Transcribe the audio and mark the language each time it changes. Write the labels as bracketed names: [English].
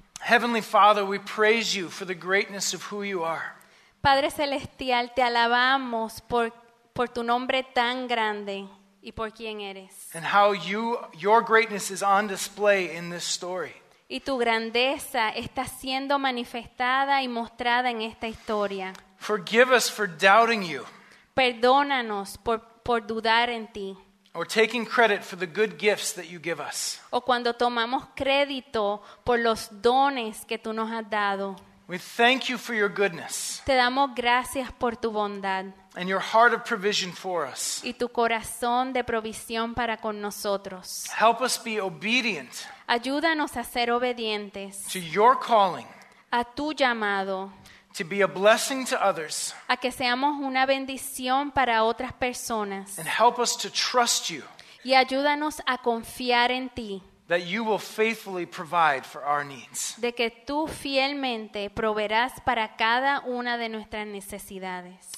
[English] Heavenly Father, we praise you for the greatness of who you are. [Spanish] Padre celestial, te alabamos por tu nombre tan grande y por quién eres. [English] And how your greatness is on display in this story. [Spanish] Y tu grandeza está siendo manifestada y mostrada en esta historia. [English] Forgive us for doubting you. [Spanish] Perdónanos por dudar en ti. [English] Or taking credit for the good gifts that you give us. [Spanish] O cuando tomamos crédito por los dones que tú nos has dado. [English] We thank you for your goodness. [Spanish] Te damos gracias por tu bondad. [English] And your heart of provision for us. [Spanish] Y tu corazón de provisión para con nosotros. [English] Help us be obedient. [Spanish] Ayúdanos a ser obedientes. [English] To your calling. [Spanish] A tu llamado. [English] To be a blessing to others. [Spanish] A que seamos una bendición para otras personas. [English] And help us to trust you. [Spanish] Y ayúdanos a confiar en ti. [English] That you will faithfully provide for our needs. [Spanish] De que tú fielmente proveerás para cada una de nuestras necesidades.